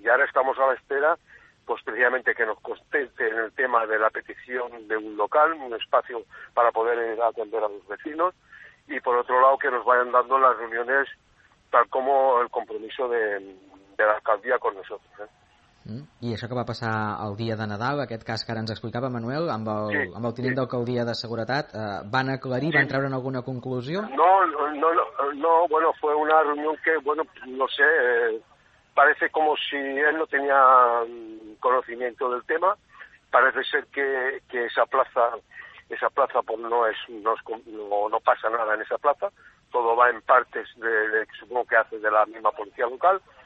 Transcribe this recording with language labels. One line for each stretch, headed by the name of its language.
Spanish: Y ahora estamos a la espera, pues precisamente que nos conteste en el tema de la petición de un local, un espacio para poder atender a los vecinos. Y por otro lado, que nos vayan dando las reuniones tal como el compromiso de la alcaldía con nosotros, ¿eh?
Catalan: I això que va passar el dia de Nadal, aquest cas que ara ens explicava Manuel, amb el, sí, amb el tinent, sí, d'alcaldia de seguretat, van aclarir, sí, van treure en alguna conclusió?
Spanish: No, bueno, fue una reunión que, bueno, no sé, parece como si él no tenía conocimiento del tema, parece ser que esa plaza pues no pasa nada en esa plaza, todo va en partes de supongo que hace de la misma policía local.